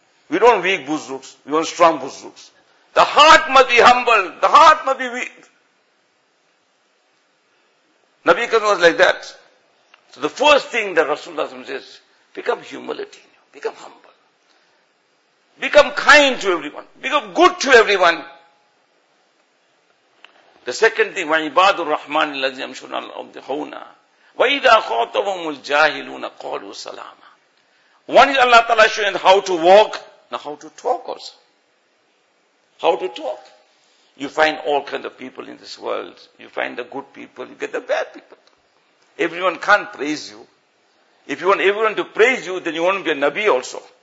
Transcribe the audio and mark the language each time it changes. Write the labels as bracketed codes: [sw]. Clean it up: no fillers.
[en] We don't want weak Buzruks, we want strong Buzruks. The heart must be humble, the heart must be weak. Nabi Karim was like that. So the first thing that Rasulullah says, become humility, become humble. Become kind to everyone, become good to everyone. The second thing, [ar] وَعِبَادُ الرَّحْمَنِ الَّذِي يَمْشُونَ عَلَى الْأَرْضِ هَوْنًا وَإِذَا خَاطَبَهُمُ الْجَاهِلُونَ قَالُوا سَلَامًا. [en] One is Allah Ta'ala showing how to walk, now how to talk also. How to talk. You find all kinds of people in this world. You find the good people, you get the bad people. Everyone can't praise you. If you want everyone to praise you, then you won't be a Nabi also.